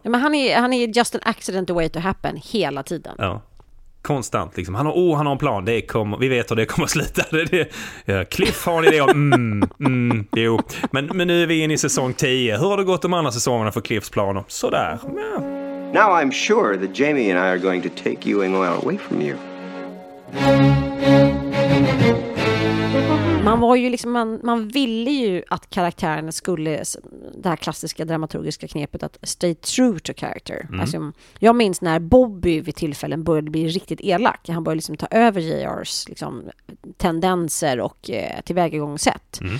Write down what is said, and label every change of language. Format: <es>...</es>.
<sv>Men han är</sv> <en>just an accident away to happen</en> <sv>hela tiden. Ja. Konstant liksom. Han har en plan. Vi vet hur det kommer att sluta. Cliff har en idé. Jo. Men nu är vi inne i säsong 10. Hur har det gått de andra säsongerna för Cliffs plan? Sådär. Yeah.</sv> <en>Now I'm sure that Jamie and I are going to take you and Ewing away from you.</en> <sv>Man var ju liksom, man ville ju att karaktären skulle, det här klassiska dramaturgiska knepet att</sv> <en>stay true to character.</en> <sv>Alltså, jag minns när Bobby vid tillfällen började bli riktigt elak. Han började liksom ta över JR's liksom tendenser och tillvägagångssätt.</sv>